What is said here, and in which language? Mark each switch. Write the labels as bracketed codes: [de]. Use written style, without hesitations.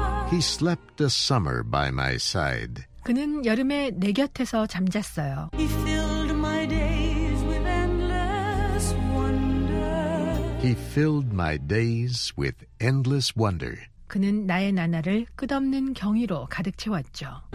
[en] He slept a summer by my side. [ko] 그는 여름에 내 곁에서 잠잤어요. [en] He filled my days with endless wonder. He filled my days with endless wonder. [ko] 그는 나의 나날을 끝없는 경이로 가득 채웠죠.